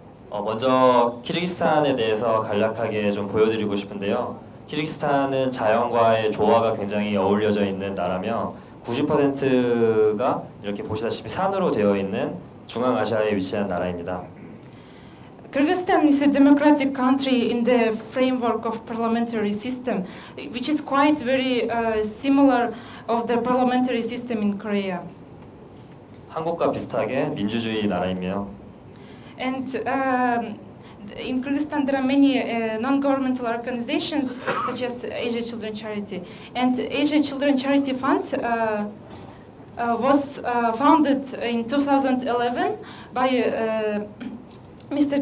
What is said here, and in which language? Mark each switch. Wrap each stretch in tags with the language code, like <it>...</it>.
<ko>먼저 키르기스탄에 대해서 간략하게 좀 보여드리고 싶은데요. 키르기스탄은 자연과의 조화가 굉장히 어울려져 있는 나라며 90%가 이렇게 보시다시피 산으로 되어 있는 중앙아시아에 위치한 나라입니다.</ko> <en>Kyrgyzstan is a democratic country in the framework of parliamentary system, which is quite very similar of the parliamentary system in Korea.</en> <ko>한국과 비슷하게 민주주의 나라이며</ko> <en>And in Kyrgyzstan there are many non-governmental organizations such as Asia Children Charity and Asia Children Charity Fund was founded in 2011 by Mr.</en>